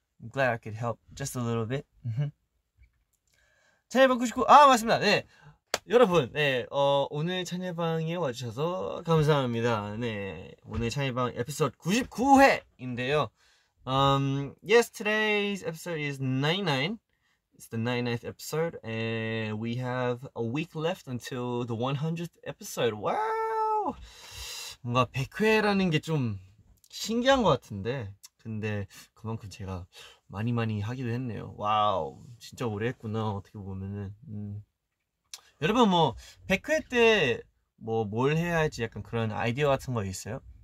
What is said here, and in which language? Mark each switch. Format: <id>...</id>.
<en>I'm glad I could help just a little bit.</en> <ko>제일 먹고 싶고 아 맞습니다. 네. 여러분, 네, 오늘 찬예방에 와주셔서 감사합니다. 네, 오늘 찬예방 에피소드 99회인데요.</ko> <en>Yesterday's episode is 99. It's the 99th episode, and we have a week left until the 100th episode. Wow!</en> <ko>뭔가 100회라는 게 좀 신기한 것 같은데. 근데 그만큼 제가 많이 하기도 했네요. 와우, 진짜 오래 했구나, 어떻게 보면은. 여러분 뭐 100회 때 뭐 뭘 해야 할지 약간 그런 아이디어 같은 거 있어요?</ko>